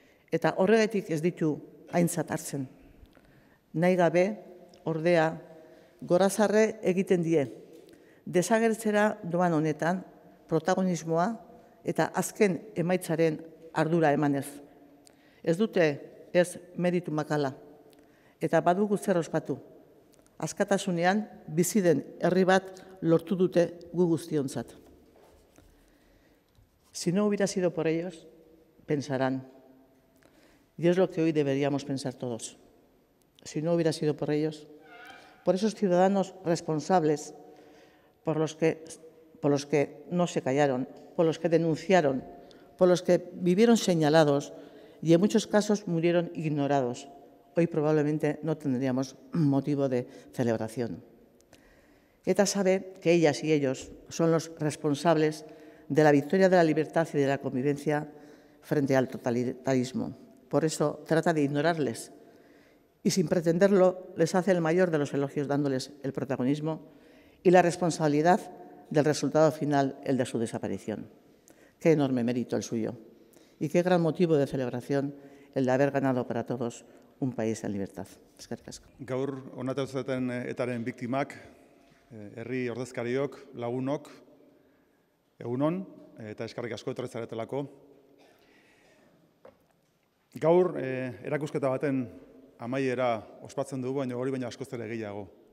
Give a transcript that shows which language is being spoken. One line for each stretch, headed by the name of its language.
Basque: Eta horregatik ez ditu aintzat hartzen. Nahi gabe, ordea, gorazarre egiten die, desagertzera doan honetan protagonismoa eta azken emaitzaren ardura emanez. Ez dute ez meritu makala, eta badugu zer ospatu. Askatasunean bizi den herri bat lortu dute gu guztiontzat.
Spanish: Si no hubiera sido por ellos, pensarán. Y es lo que hoy deberíamos pensar todos. Si no hubiera sido por ellos, por esos ciudadanos responsables, por los que no se callaron, por los que denunciaron, por los que vivieron señalados y en muchos casos murieron ignorados, hoy probablemente no tendríamos motivo de celebración. ETA sabe que ellas y ellos son los responsables de la victoria de la libertad y de la convivencia frente al totalitarismo. Por eso trata de ignorarles y, sin pretenderlo, les hace el mayor de los elogios dándoles el protagonismo y la responsabilidad del resultado final, el de su desaparición. Qué enorme mérito el suyo y qué gran motivo de celebración el de haber ganado para todos un país en libertad.
Basque: Eskerrik asko. Gaur onatzen etaren biktimak, herri ordezkariok, lagunok, egunon eta eskerrik asko etorretzaretelako. Gaur erakusketa baten amaiera ospatzen dugu, baina hori baina askoz ere gehiago.